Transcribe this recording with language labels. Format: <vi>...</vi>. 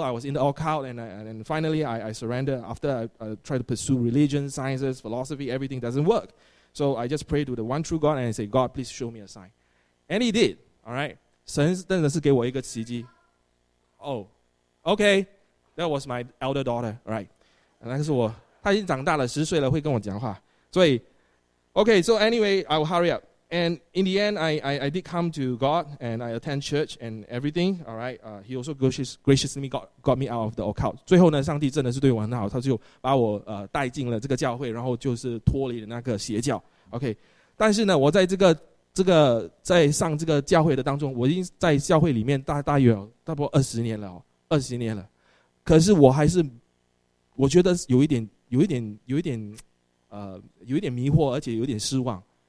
<en>I was in the occult, and finally I surrendered. After I tried to pursue religion, sciences, philosophy, everything doesn't work. So I just prayed to the one true God, and I said, God, please show me a sign. And he did, all right?</en> <zh>神真的是给我一个奇迹.</zh> <en>Oh, okay. That was my elder daughter, all right?</en> <zh>那个是我,她已经长大了,10岁了,会跟我讲话.所以,</zh> <en>okay, so anyway, I will hurry up. And in the end, I did come to God, and I attend church and everything, all right? He also graciously got me out of the occult.</en> <zh>最后呢,上帝真的是对我很好,他就把我带进了这个教会,然后就是脱离了那个邪教. Okay, 但是呢,我在这个在上这个教会的当中,我已经在教会里面大约有差不多20年了,可是我还是觉得有一点迷惑,而且有点失望。</zh>